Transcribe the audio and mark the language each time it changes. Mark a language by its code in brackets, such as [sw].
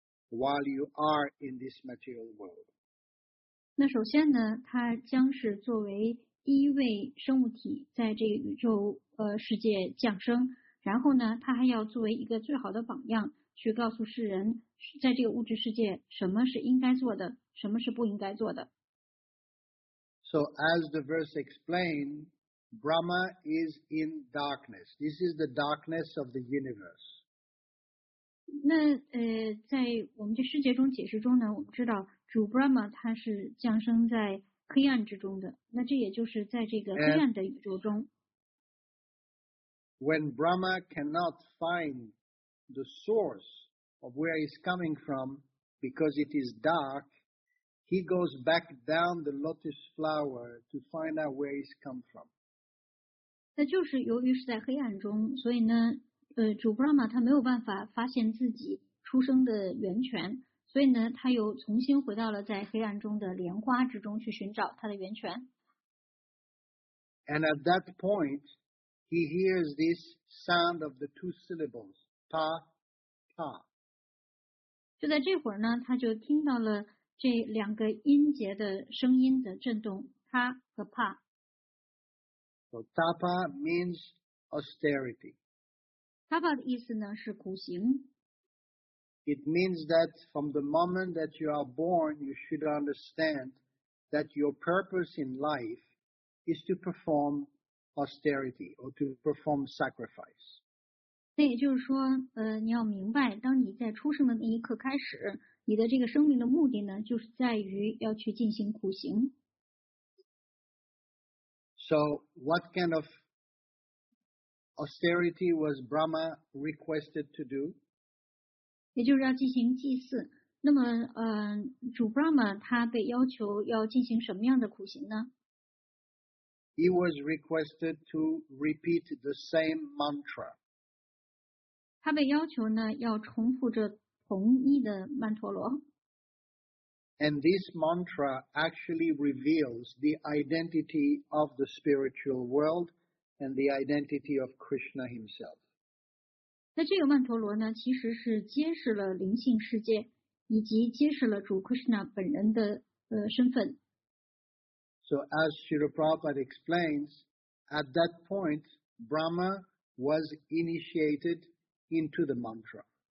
[en] While you are in this material world. [zh] 那首先呢，他将是作为第一位生物体在这个宇宙世界降生，然后呢，他还要作为一个最好的榜样，去告诉世人，在这个物质世界，什么是应该做的，什么是不应该做的。 [en] So as the verse explained, Brahma is in darkness. This is the darkness of the universe. [zh] 那在我们的世界中解释中呢，我们知道主 Brahma 他是降生在黑暗之中的，那这也就是在这个黑暗的宇宙中。 [en] And、when Brahma cannot find the source of where he's coming from because it is dark, he goes back down the lotus flower to find out where he's come from. [zh] 那就是由于是在黑暗中，所以呢。主 Brahma 他没有办法发现自己出生的源泉，所以呢，他又重新回到了在黑暗中的莲花之中去寻找他的源泉。 [en] And at that point, he hears this sound of the two syllables, pa, pa. [zh] 就在这会儿呢，他就听到了这两个音节的声音的震动，他和帕。 [en] So tapa means austerity. [zh] Tapa 的意思呢是苦行。 [en] It means that from the moment that you are born, you should understand that your purpose in life is to perform austerity or to perform sacrifice. [zh] 那也就是说，你要明白，当你在出生的那一刻开始，你的这个生命的目的呢，就是在于要去进行苦行。 [en] So, what kind of Austerity was Brahma requested to do. [zh] 也就是要进行祭祀。那么，主 Brahma 他被要求要进行什么样的苦行呢？ [en] He was requested to repeat the same mantra. [zh] 他被要求呢要重复着同一的曼陀罗。 [en] And this mantra actually reveals the identity of the spiritual world. And the identity of Krishna himself. [zh] 那这个曼陀罗呢，其实是揭示了灵性世界，以及揭示了主 Krishna 本人的身份。 [en] So as Srila Prabhupada explains, at that point, Brahma was initiated into the mantra.